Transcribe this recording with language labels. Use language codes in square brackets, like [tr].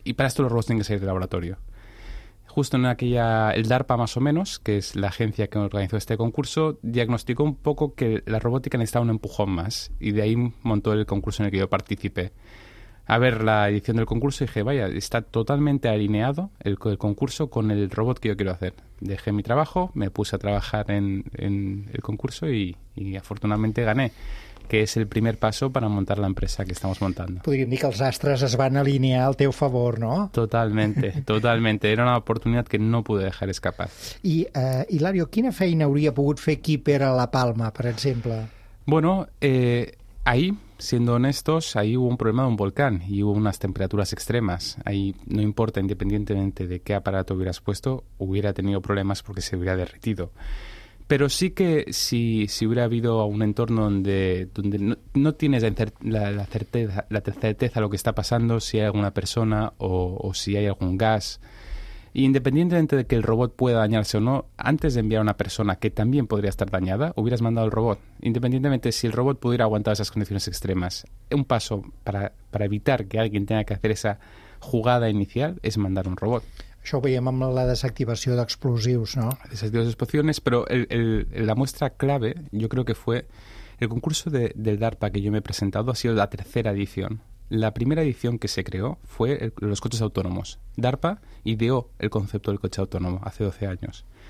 [es] Y para esto los robots tienen que salir del laboratorio. Justo en el DARPA más o menos, que es la agencia que organizó este concurso, diagnosticó un poco que la robótica necesitaba un empujón más. Y de ahí montó el concurso en el que yo participé. A ver la edición del concurso y dije, vaya, está totalmente alineado el concurso con el robot que yo quiero hacer. Dejé mi trabajo, me puse a trabajar en el concurso y afortunadamente gané. [ca] Que és el primer pas per a muntar l'empresa que estem muntant. Podríem dir que els astres es van alinear al teu favor, no? [es] Totalmente, totalmente. [ca] Era una oportunitat que no pude deixar escapar. I, Hilario, quina feina hauria pogut fer Kuiper a La Palma, per exemple? [es] Bueno, ahí siendo honestos, ahí hubo un problema de un volcán y hubo unas temperaturas extremas. Ahí no importa, independientemente de qué aparato hubieras puesto, hubiera tenido problemas porque se hubiera derretido. Pero sí que si hubiera habido un entorno donde no tienes la certeza de lo que está pasando, si hay alguna persona o si hay algún gas. Y independientemente de que el robot pueda dañarse o no, antes de enviar a una persona que también podría estar dañada, hubieras mandado al robot. Independientemente de si el robot pudiera aguantar esas condiciones extremas, un paso para evitar que alguien tenga que hacer esa jugada inicial es mandar un robot. [ca] Això ho veiem amb la desactivació d'explosius, no? Desactivació d'explosius, però [es] la muestra clave, yo creo que fue el concurso del DARPA que yo me he presentado, ha sido la tercera edición. La primera edición que se creó fue los coches autónomos. DARPA ideó el concepto del coche autónomo hace 12 años.